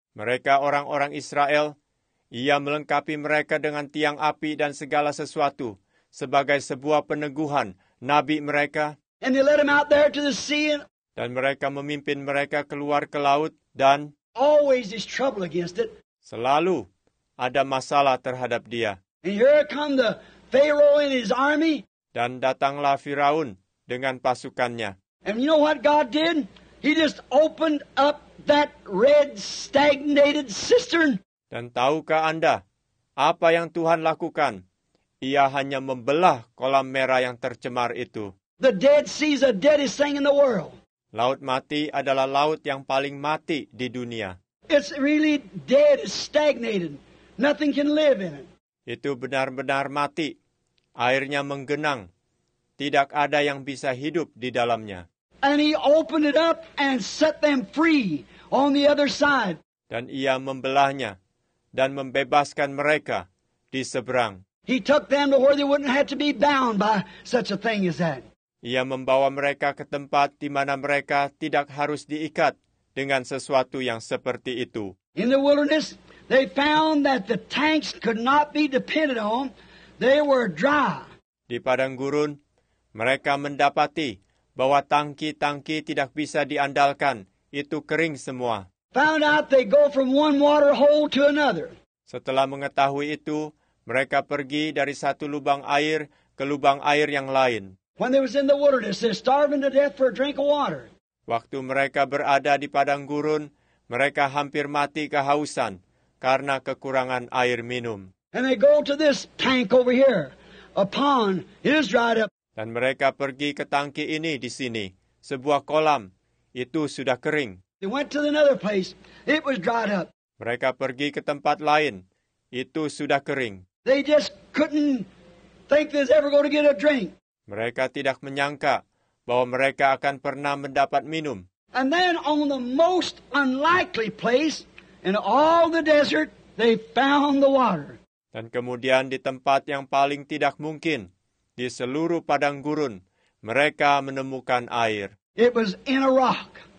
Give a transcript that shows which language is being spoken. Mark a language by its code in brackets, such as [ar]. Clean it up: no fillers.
[id] Mereka orang-orang Israel, ia melengkapi mereka dengan tiang api dan segala sesuatu sebagai sebuah peneguhan nabi mereka. [en] And they led them out there to the sea. [id] Dan mereka memimpin mereka keluar ke laut dan [en] always is trouble against it. [id] Selalu ada masalah terhadap dia. [en] And here come the Pharaoh and his army. [id] Dan datanglah Firaun dengan pasukannya. [en] And you know what God did? He just opened up that red stagnated cistern. [id] Dan tahukah Anda apa yang Tuhan lakukan? Ia hanya membelah kolam merah yang tercemar itu. [en] The Dead Sea is the deadest thing in the world. [id] Laut mati adalah laut yang paling mati di dunia. [en] It's really dead, stagnated. Nothing can live in it. [id] Itu benar-benar mati. Airnya menggenang. Tidak ada yang bisa hidup di dalamnya. [en] And he opened it up and set them free on the other side. [id] Dan ia membelahnya dan membebaskan mereka di seberang. [en] He took them to where they wouldn't have to be bound by such a thing as that. [id] Ia membawa mereka ke tempat di mana mereka tidak harus diikat dengan sesuatu yang seperti itu. [en] In the wilderness, they found that the tanks could not be depended on. They were dry. [id] Di padang gurun, mereka mendapati bahwa tangki-tangki tidak bisa diandalkan. Itu kering semua. [en] Found out they go from one water hole to another. [id] Setelah mengetahui itu, mereka pergi dari satu lubang air ke lubang air yang lain. [en] When they was in the wilderness, they're starving to death for a drink of water. [id] Waktu mereka berada di padang gurun, mereka hampir mati kehausan karena kekurangan air minum. [en] And they go to this tank over here. A pond. It is dried up. [id] Dan mereka pergi ke tangki ini di sini, sebuah kolam. Itu sudah kering. [en] They went to another place. It was dried up. [id] Mereka pergi ke tempat lain. Itu sudah kering. [en] They just couldn't think there's ever going to get a drink. [id] Mereka tidak menyangka bahwa mereka akan pernah mendapat minum. [en] And then on the most unlikely place in all the desert, they found the water. [id] Dan kemudian di tempat yang paling tidak mungkin, di seluruh padang gurun, mereka menemukan air. [en] It was in a rock.